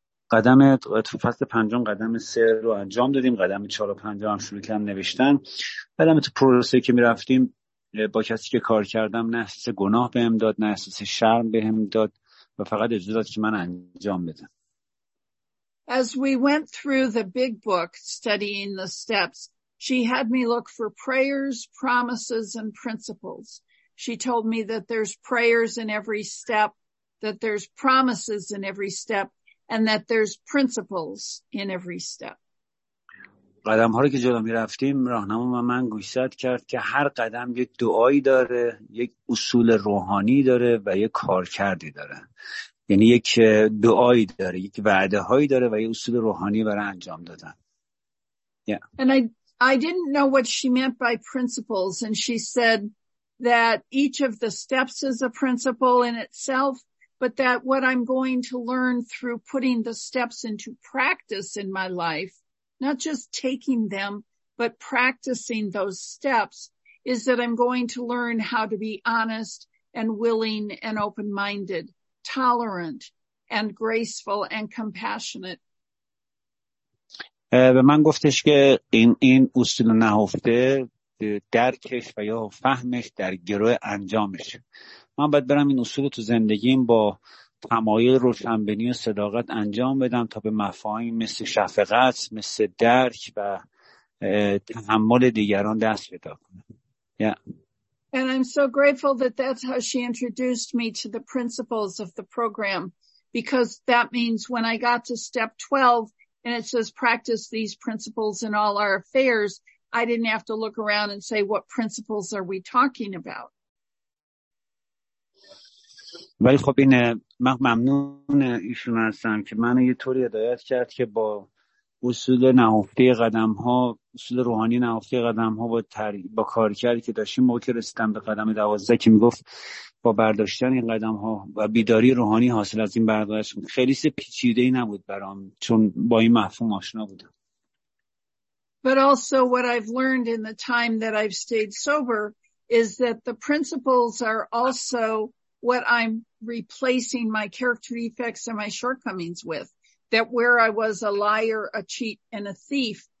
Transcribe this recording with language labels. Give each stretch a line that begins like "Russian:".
Persian: قدم تو فصل پنجم قدم سه رو انجام دادیم، قدم چهار و پنجم هم شروع کردم نوشتن. قدم تو پروسه که می رفتیم با کسی که کار کردم نه احساس گناه بهم داد نه احساس شرم بهم داد و فقط اجازه داد که من انجام بدم.
English: As we went through the big book studying the steps, she had me look for prayers, promises and principles. She told me that there's prayers in every step, that there's promises in every step and that there's principles in every step.
Persian: قدم ها رو که جلو می رفتیم راهنما من گوشزد کرد که هر قدم یک دعایی داره، یک اصول روحانی داره و یک کارکردی داره، یعنی یک دعایی داره، یک وعده هایی داره و یک اصول روحانی برای انجام دادن.
English: Yeah. And I didn't know what she meant by principles, and she said that each of the steps is a principle in itself, but that what I'm going to learn through putting the steps into practice in my life, not just taking them, but practicing those steps, is that I'm going to learn how to be honest and willing and open-minded, tolerant and graceful and compassionate.
Persian: به من گفتش که این اصول نهفته درکش و یا فهمش در گروه انجامش. من باید برم این اصول تو زندگیم با تمایل روشنبینی و صداقت انجام بدم تا به مفاهیم مثل شفقت، مثل درک و تحمل دیگران دست پیدا کنم.
English: And I'm so grateful that that's how she introduced me to the principles of the program, because that means when I got to step 12 and it says practice these principles in all our affairs, I didn't have to look around and say what principles are we talking about.
Persian: ولی خب این من ممنون ایشون هستم که منو یه طوری هدایت کرد که با اصول نهفته قدم ها، اصول روحانی نهفته قدم ها با کار کردی که داشتیم موقع رسیدم به قدم 12 که میگفت با برداشتن این قدم ها و بیداری روحانی حاصل از این برداشت، خیلی پیچیده‌ای نبود برام چون با این مفهوم آشنا بودم.
English: But also what I've learned in the time that I've stayed sober is that the principles are also what I'm replacing my character defects and my shortcomings with, that where I was a liar, a cheat, and a thief,